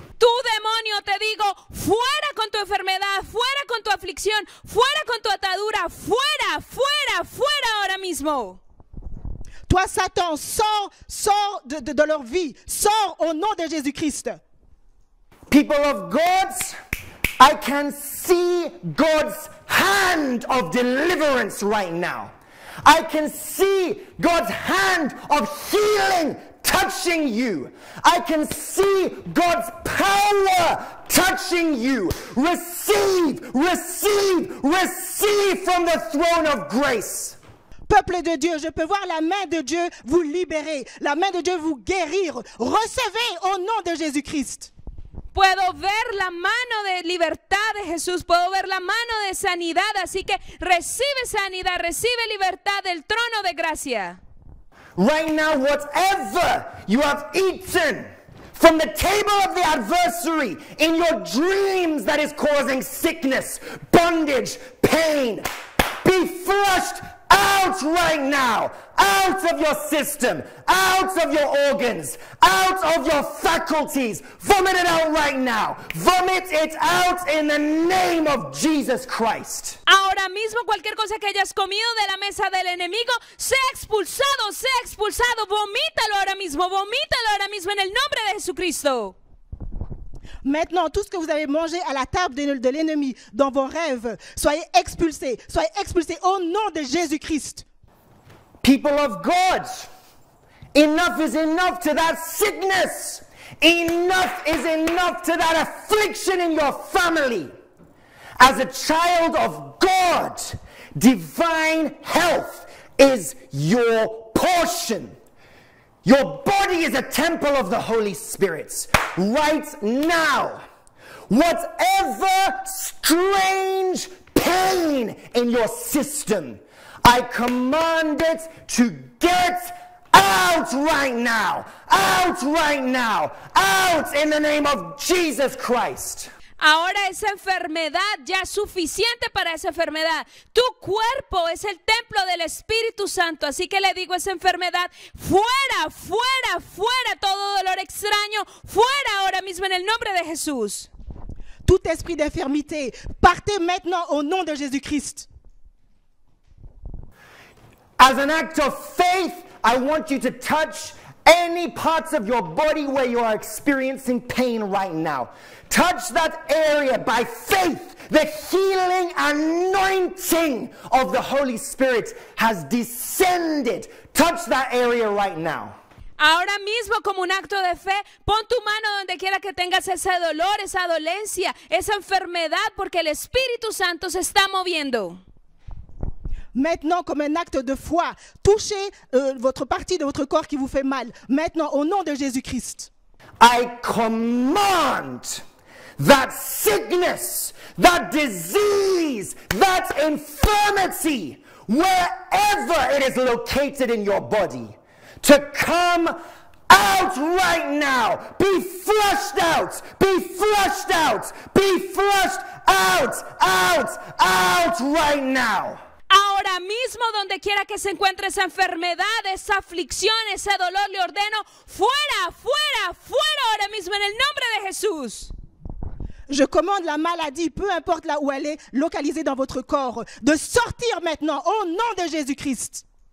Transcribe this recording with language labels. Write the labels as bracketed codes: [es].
[es] Tú, demonio, te digo, fuera con tu enfermedad, fuera con tu aflicción, fuera con tu atadura, fuera, fuera, fuera ahora mismo. [fr] Toi, Satan, sors, sors de leur vie. Sors au nom de Jésus-Christ. [en] People of God, I can see God's hand of deliverance right now. I can see God's hand of healing touching you. I can see God's power touching you. Receive, receive, receive from the throne of grace. [fr] Peuple de Dieu, je peux voir la main de Dieu vous libérer, la main de Dieu vous guérir. Recevez au nom de Jésus-Christ. [es] Puedo ver la mano de libertad de Jesús, puedo ver la mano de sanidad, así que recibe sanidad, recibe libertad del trono de gracia. [en] Right now, whatever you have eaten from the table of the adversary in your dreams that is causing sickness, bondage, pain, be flushed out right now, out of your system, out of your organs, out of your faculties. Vomit it out right now. Vomit it out in the name of Jesus Christ. [es] Ahora mismo, cualquier cosa que hayas comido de la mesa del enemigo, sea expulsado, vomítalo ahora mismo en el nombre de Jesucristo. [fr] Maintenant, tout ce que vous avez mangé à la table de l'ennemi dans vos rêves, soyez expulsés au nom de Jésus-Christ. [en] People of God, enough is enough to that sickness. Enough is enough to that affliction in your family. As a child of God, divine health is your portion. Your body is a temple of the Holy Spirit. Right now, whatever strange pain in your system, I command it to get out right now. Out right now. Out in the name of Jesus Christ. [es] Ahora esa enfermedad ya es suficiente para esa enfermedad. Tu cuerpo es el templo del Espíritu Santo. Así que le digo a esa enfermedad, fuera, fuera, fuera todo dolor extraño. Fuera ahora mismo en el nombre de Jesús. [fr] Tout esprit d'infirmité, partez maintenant au nom de Jésus-Christ. [en] As an act of faith, I want you to touch any parts of your body where you are experiencing pain right now. Touch that area by faith. The healing anointing of the Holy Spirit has descended. Touch that area right now. [es] Ahora mismo, como un acto de fe, pon tu mano donde quiera que tengas ese dolor, esa dolencia, esa enfermedad, porque el Espíritu Santo se está moviendo. [fr] Maintenant, comme un acte de foi, touchez votre partie de votre corps qui vous fait mal. Maintenant, au nom de Jésus-Christ. [en] I command that sickness, that disease, that infirmity, wherever it is located in your body, to come out right now. Be flushed out. Be flushed out. Be flushed out. Out. Out right now. [es] Ahora mismo, donde quiera que se encuentre esa enfermedad, esa aflicción, ese dolor, le ordeno fuera, fuera, fuera ahora mismo en el nombre de Jesús. [fr] Je commande la maladie, peu importe là où elle est, localisée dans votre corps, de sortir maintenant au nom de Jésus-Christ.